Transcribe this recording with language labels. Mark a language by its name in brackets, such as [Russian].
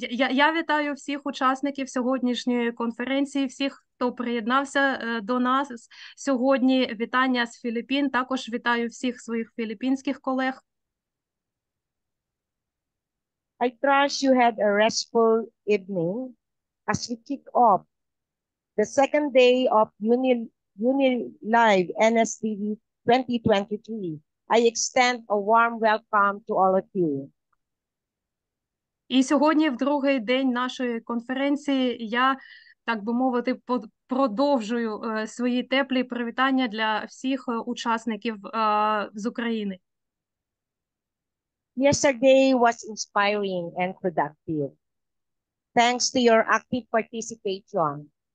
[Ukrainian] Я вітаю всіх учасників сьогоднішньої конференції, всіх, хто приєднався до нас сьогодні. Вітання з Філіппін. Також вітаю всіх своїх філіппінських колег. [English] I trust you had a restful evening as we kick off the second day of UniLibNSD-2023. I extend a warm welcome to all of you. [Ukrainian] І сьогодні, в другий день нашої конференції, я, так би мовити, продовжую свої теплі привітання для всіх учасників з України. [English] Yesterday was inspiring and productive. Thanks to your active participation.